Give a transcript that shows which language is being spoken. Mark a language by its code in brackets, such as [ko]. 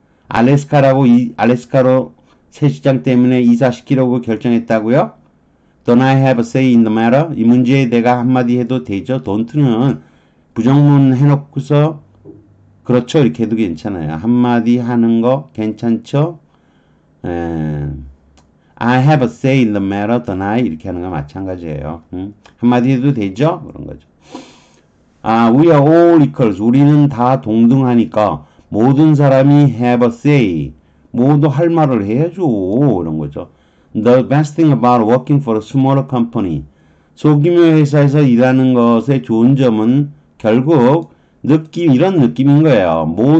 [ko] 알래스카라고 알래스카로 새 시장 때문에 이사시키려고 결정했다고요? [en] Don't I have a say in the matter? [ko] 이 문제에 내가 한마디 해도 되죠? Don't는 부정문 해놓고서 그렇죠 이렇게 해도 괜찮아요. 한마디 하는 거 괜찮죠? [en] I have a say in the matter, don't I? [ko] 이렇게 하는 거 마찬가지예요. 한마디 해도 되죠? 그런 거죠. 아, [en] we are all equals. [ko] 우리는 다 동등하니까. 모든 사람이 [en] have a say. [ko] 모두 할 말을 해야죠. 이런 거죠. [en] The best thing about working for a smaller company. [ko] 소규모 회사에서 일하는 것의 좋은 점은 결국 느낌, 이런 느낌인 거예요.